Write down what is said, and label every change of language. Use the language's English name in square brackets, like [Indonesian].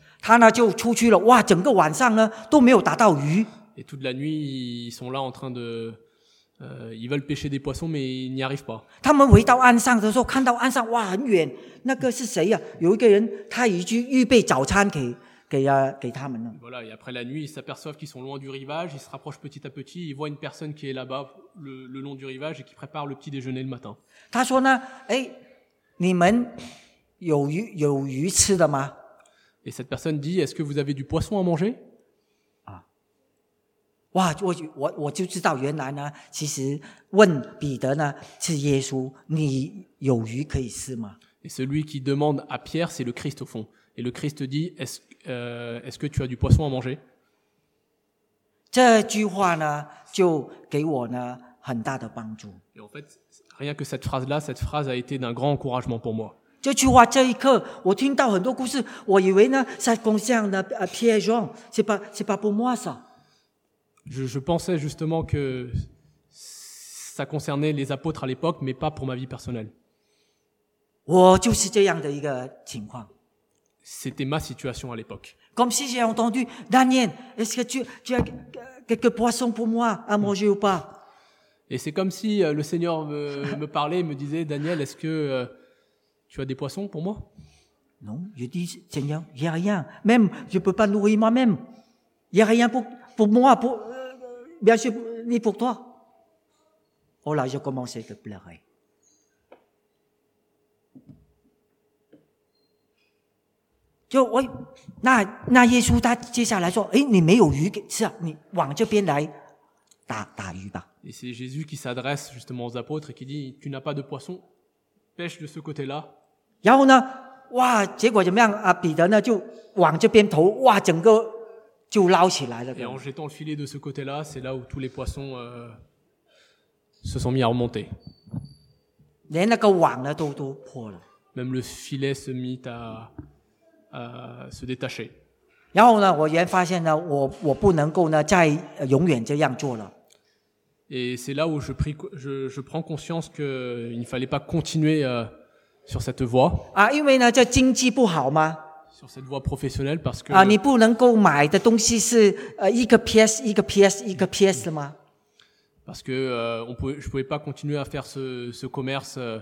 [Chinese] 他呢就出去了，哇，整个晚上呢都没有打到鱼。 [French] Et toute la nuit, ils sont là en train de, ils veulent pêcher des poissons, mais ils n'y arrivent pas. [Chinese] 他们回到岸上的时候，看到岸上哇很远，那个是谁呀？有一个人，他已经预备早餐给他们了。 [French] Voilà, et après la nuit, ils s'aperçoivent qu'ils sont loin du rivage, ils se rapprochent petit à petit, ils voient une personne qui est là-bas, le long du rivage, et qui prépare le petit déjeuner le matin. [Chinese] 他说呢，哎，你们有鱼吃的吗？ [French] Et cette personne dit, est-ce que vous avez du poisson à manger ? [Chinese] 啊，哇，我就知道原来呢，其实问彼得呢，是耶稣，你有鱼可以吃吗？ [French] Et celui qui demande à Pierre, c'est le Christ au fond. Et le Christ dit, est-ce que tu as du poisson à manger ? [Chinese] 这句话呢，就给我呢很大的帮助。 [French] Et en fait, rien que cette phrase a été d'un grand encouragement pour moi. [Chinese] 这句话这一刻我听到很多故事，我以为呢在公像的 [French] Pierre Jean c'est pas pour moi ça. Je pensais justement que ça concernait les apôtres à l'époque mais pas pour ma vie personnelle. [Chinese] 我就是这样的一个情况。 [French] C'était ma situation à l'époque. Comme si j'ai entendu Daniel, est-ce que tu as quelques poissons pour moi à manger ou pas? Et c'est comme si le Seigneur me parlait, me disait Daniel, est-ce que tu as des poissons pour moi ? Non, je dis, Seigneur, il n'y a rien. Même, je ne peux pas nourrir moi-même. Il n'y a rien pour moi, pour, bien sûr, ni pour toi. Oh là, j'ai commencé à pleurer. Je, oui, là, Jésus, il dit, eh, [Chinese] 你没有鱼吃啊，你往这边来打鱼吧。 [French] Et c'est Jésus qui s'adresse justement aux apôtres et qui dit, tu n'as pas de poisson, pêche de ce côté-là. [Chinese] 然后呢，哇，结果怎么样啊？彼得呢就往这边投，哇，整个就捞起来了。 [French] Et en jetant le filet de ce côté-là, c'est là où tous les poissons se sont mis à remonter. [Chinese] 连那个网呢都破了。 [French] Même le filet se mit à se détacher. [Chinese] 然后呢，我原发现呢，我不能够呢再永远这样做了。 [French] Et c'est là où je prends conscience qu'il ne fallait pas continuer. Sur cette voie. [Chinese] 啊，因为呢，这经济不好吗？ [French] Sur cette voie professionnelle, parce que [Chinese] 啊，你不能够买的东西是一个 pièce, 一个 pièce, 一个 pièce 的吗？ [French] Parce que je pouvais pas continuer à faire ce commerce